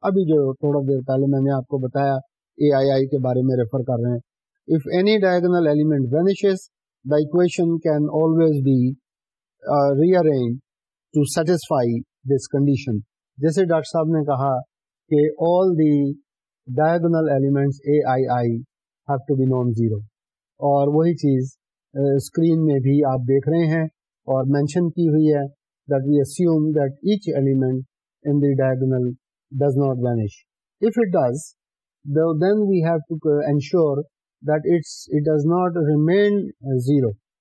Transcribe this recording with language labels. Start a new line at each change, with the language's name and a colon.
Urdu: ابھی جو تھوڑا دیر پہلے میں نے آپ کو بتایا AII کے بارے میں refer کر رہے ہیں.
English: If any diagonal element vanishes, the equation can always be rearranged to satisfy this condition.
Urdu: جیسے ڈاکٹر صاحب نے کہا کہ
English: all the diagonal elements AII have to be non-zero.
Urdu: اور وہی چیز اسکرین میں بھی آپ دیکھ رہے ہیں اور مینشن کی ہوئی ہے
English: that we assume that each element in the diagonal does not vanish. If it does, then we have to ensure that it does not remain zero.